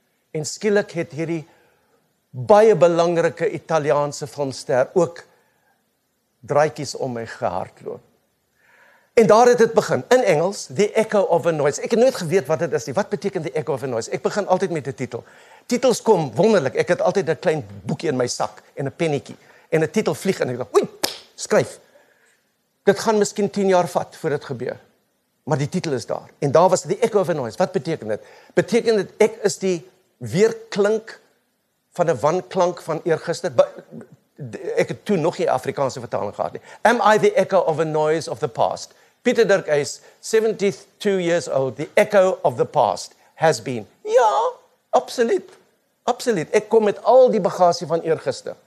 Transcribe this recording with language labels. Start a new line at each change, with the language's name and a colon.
Afrikaans: En skielik het hierdie baie belangrike Italiaanse filmster ook draaitjies om my gehardloop. En daar het dit begin. In Engels, The Echo of a Noise. Ek het nooit geweet wat dit is nie. Wat beteken The Echo of a Noise? Ek begin altyd met 'n titel. Titels kom wonderlik. Ek het altyd 'n klein boekie in my sak en 'n pennetjie. En 'n titel vlieg en ek dink, skryf. Dit gaan miskien 10 jaar vat voor dit gebeur. Maar die titel is daar. En daar was The Echo of a Noise. Wat beteken dit? Beteken dit ek is die weerklink van 'n wanklank van eergister. Ek het toe nog nie Afrikaanse vertaling gehad nie.
English: Am I the echo of a noise of the past? Pieter Dirk is 72 years old. The echo of the past has been.
Afrikaans: Ja, absoluut. Absoluut. Ek kom met al die bagasie van eergister.